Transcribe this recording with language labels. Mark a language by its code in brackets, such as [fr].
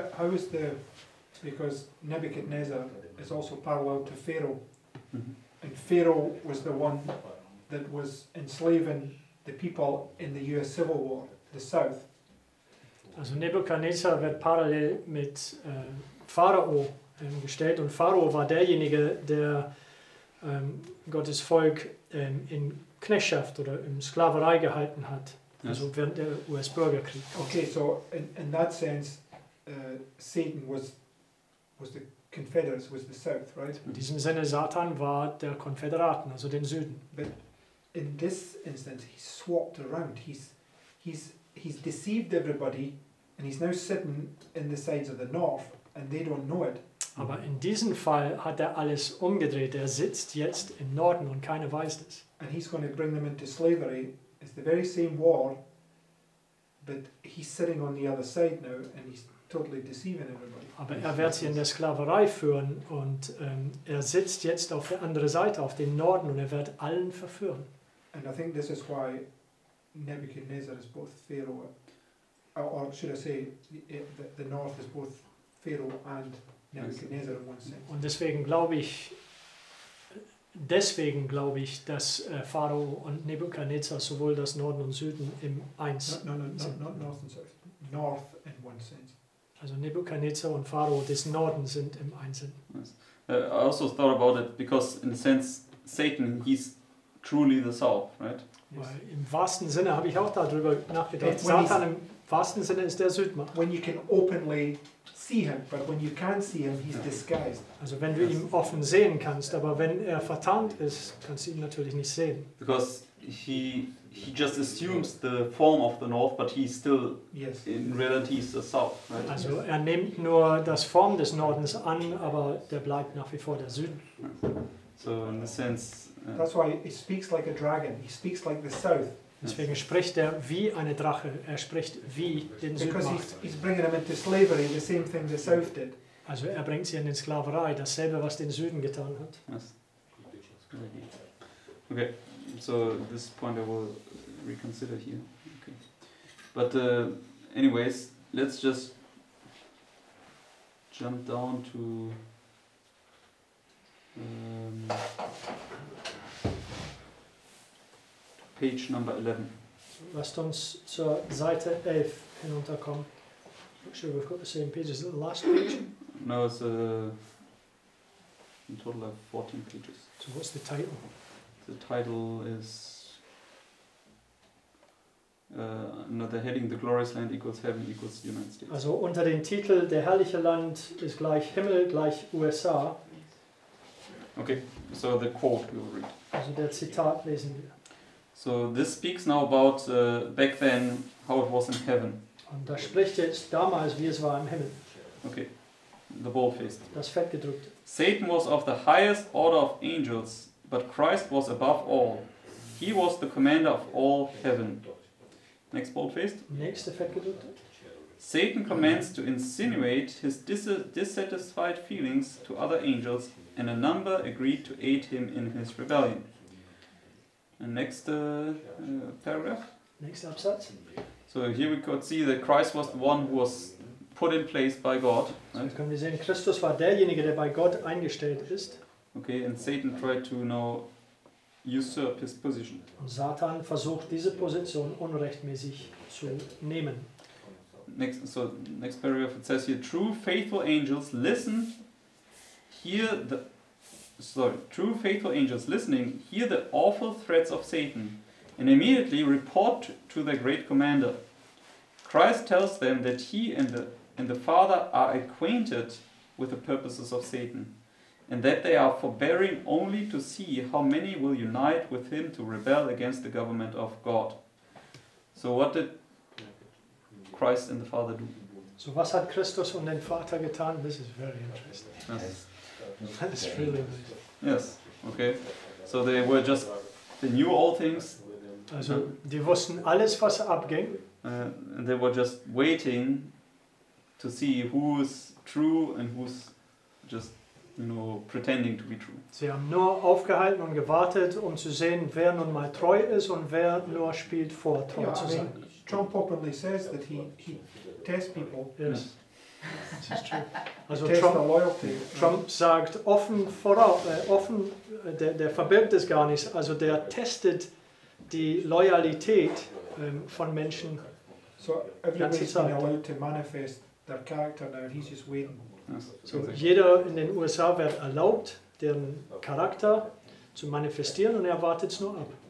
[en] How is the, because Nebuchadnezzar is also parallel to Pharaoh, mm-hmm. and Pharaoh was the one that was enslaving the people in the U.S. Civil War, the South. [de] Also Nebuchadnezzar wird parallel mit Pharao gestellt, und Pharao war derjenige, der Gottes Volk in Knechtschaft oder in Sklaverei gehalten hat. [en] Yes. [de] Also während der US-Bürgerkrieg. [en] Okay, so in that sense, Satan was the Confederates, was the South, right? [de] In diesem Sinne, Satan war der Konföderaten, also den Süden. [en] But in this instance, he swapped around. He's deceived everybody, and he's now sitting in the sides of the North, and they don't know it. [de] Aber in diesem Fall hat er alles umgedreht. Er sitzt jetzt im Norden und keiner weiß es. [en] And he's going to bring them into slavery. It's the very same war, but he's sitting on the other side now, and he's totally deceiving everybody. [de] Aber er wird sie in der Sklaverei führen, und sitzt jetzt auf der anderen Seite, auf den Norden, und wird allen verführen. [en] And I think this is why Nebuchadnezzar is both Pharaoh, or should I say, the North is both Pharaoh and Nebuchadnezzar in one sense. [de] Und deswegen glaube ich, dass Pharao und Nebuchadnezzar sowohl das Norden und Süden im Eins sind. [en] Not North and South. North in one sense. [de] Also Nebuchadnezzar und Pharao des Norden sind im Eins. [en] Yes. I also thought about it because in a sense Satan, he's truly the South, right? [de] Weil im wahrsten Sinne habe ich auch darüber nachgedacht. Satan im wahrsten Sinne ist der Südmacht. [en] When you can openly see him, but when you can't see him, he's disguised. [de] Also wenn du ihn offen sehen kannst, aber wenn vertarnt ist, kannst du ihn natürlich nicht sehen. [en] Because he just assumes the form of the North, but he's still in reality is the South. Right? [de] Also nimmt nur das Form des Nordens an, aber der bleibt nach wie vor der Süden. [en] So in the sense. That's why he speaks like a dragon. He speaks like the South. [de] Deswegen spricht er wie eine Drache. Er spricht wie den Südmacht. [en] Because he's bringing them into slavery, the same thing the South did. [de] Also er bringt sie in die Sklaverei, dasselbe, was den Süden getan hat. [en] Yes. Okay, so this point I will reconsider here. Okay. But anyways, let's just jump down to page number 11. [de] Lasst uns zur Seite 11 hinunterkommen. [en] Not sure we've got the same page. Is it the last page? No, it's in total of 14 pages. So what's the title? The title is the heading, The Glorious Land equals Heaven equals United States. [de] Also unter dem Titel, Der herrliche Land ist gleich Himmel gleich USA. [en] Okay, so the quote we will read. [de] Also der Zitat lesen wir. [en] So this speaks now about back then how it was in heaven. [de] Und das spricht jetzt damals, wie es war im Himmel. [en] Okay, the bold-faced. [de] Das fettgedrückte. [en] Satan was of the highest order of angels, but Christ was above all. He was the commander of all heaven. Next bold-faced. [de] Nächste fettgedrückte. [en] Satan commands to insinuate his dissatisfied feelings to other angels, and a number agreed to aid him in his rebellion. And next paragraph. Next [de] Absatz. [en] So here we could see that Christ was the one who was put in place by God. Right? [de] So können wir sehen, Christus war derjenige, der bei Gott eingestellt ist. [en] Okay, and Satan tried to now usurp his position. [de] Und Satan versucht, diese Position unrechtmäßig zu nehmen. [en] Next paragraph, it says here, true faithful angels listening hear the awful threats of Satan and immediately report to their great commander. Christ tells them that he and the Father are acquainted with the purposes of Satan and that they are forbearing only to see how many will unite with him to rebel against the government of God. So what did Christ and the Father do? [de] So was hat Christus und den Vater getan? [en] This is very interesting. Yes. That's really interesting. Yes, okay. So they were just, they knew all things. [de] Also die wussten alles, was abging. [en] And they were just waiting to see who's true and who's just, you know, pretending to be true. [de] Sie haben nur aufgehalten und gewartet, um zu sehen, wer nun mal treu ist und wer nur spielt vor, treu zu sein. [en] John properly says that he tests people. Yes, this is true. Also tests loyalty. [de] Trump sagt offen voraus, offen, der verbirgt es gar nicht. Also der testet die Loyalität von Menschen. [en] So everybody's been allowed to manifest their character now. He's just waiting. [de] So jeder in den USA wird erlaubt, deren Charakter zu manifestieren, und er wartet es nur ab.